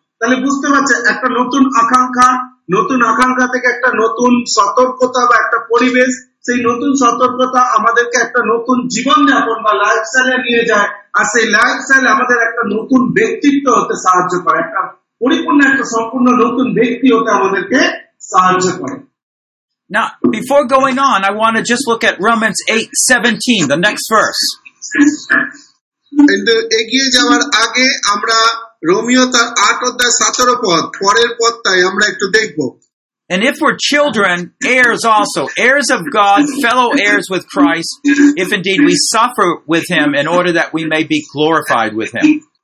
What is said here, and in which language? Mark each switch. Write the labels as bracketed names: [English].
[Bangla] তাহলে বুঝতে পারছে, একটা নতুন আকাঙ্ক্ষা থেকে একটা নতুন সতর্কতা বা একটা পরিবেশ, সেই নতুন সতর্কতা আমাদেরকে একটা নতুন জীবনযাপন বা লাইফস্টাইলে নিয়ে যায়, আর সেই লাইফস্টাইল আমাদের একটা নতুন ব্যক্তিত্ব হতে সাহায্য করে, একটা পরিপূর্ণ একটা সম্পূর্ণ নতুন ব্যক্তি হতে আমাদেরকে সাহায্য করে। [English] Now, before going on, I want to just look at Romans 8:17, the next verse. [Bangla] কিন্তু এগিয়ে যাওয়ার আগে আমরা রোমিও তার 8:17 পরের পদটাই আমরা একটু দেখব। [English] And if we're children, heirs also, heirs of God, fellow heirs with Christ, if indeed we suffer with him in order that we may be glorified with him.